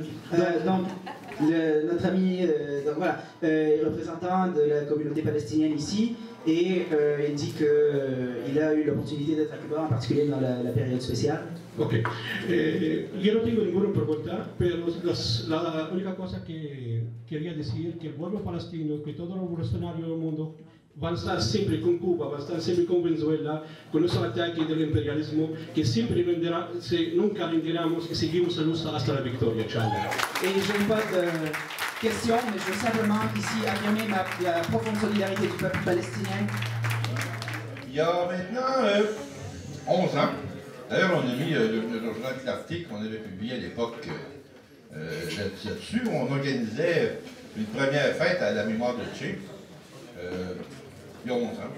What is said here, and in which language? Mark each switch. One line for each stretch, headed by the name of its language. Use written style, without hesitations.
French: Notre ami, est représentant de la communauté palestinienne ici, et il dit qu'il a eu l'opportunité d'être à Cuba, en particulier dans la période spéciale. Ok.
Spanish: Yo no tengo ninguna pregunta, pero la única cosa que quería decir que el pueblo palestino, que todos los revolucionarios del mundo van a estar siempre con Cuba, van a estar siempre con Venezuela, con esos ataques del imperialismo, que siempre vendrá, si nunca rendiremos y seguimos la lucha hasta la victoria. Chao.
French: Et je n'ai pas de questions, mais je veux simplement ici affirmer la profonde solidarité du peuple palestinien. Il y a maintenant 11 ans, d'ailleurs on a mis le journal Clartique, on avait publié à l'époque là-dessus, on organisait une première fête à la mémoire de Che, il y a 11 ans.